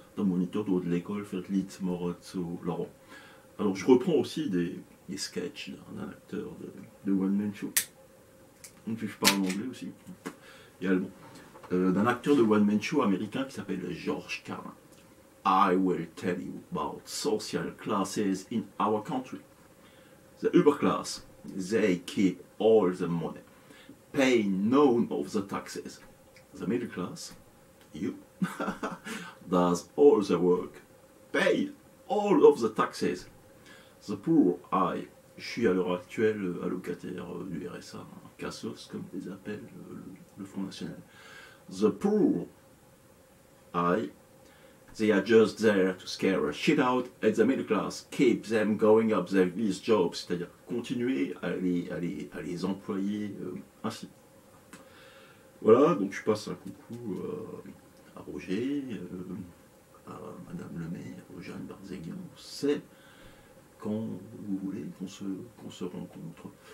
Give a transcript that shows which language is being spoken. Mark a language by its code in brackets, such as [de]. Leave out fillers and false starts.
[fr] Dans le moniteur de l'école, fait Litz, Morot, Laurent. Alors, je reprends aussi des sketchs d'un acteur de One Man Show. En plus, je parle anglais aussi. Et allemand. D'un acteur de One Man Show américain qui s'appelle George Carlin. [en] I will tell you about social classes in our country. The upper class, they keep all the money, pay none of the taxes. The middle class, you. Does all the work, pay all of the taxes. The poor, [fr] je suis à l'heure actuelle allocataire du RSA, hein, CASOS comme les appelle le Front National. [en] The poor, they are just there to scare shit out at the middle class, keep them going up these jobs, [fr] c'est-à-dire continuer à les employer ainsi. Voilà, donc je passe un coucou. À Roger, à Madame le maire, Jeanne Barzéguian, c'est quand vous voulez qu'on se rencontre.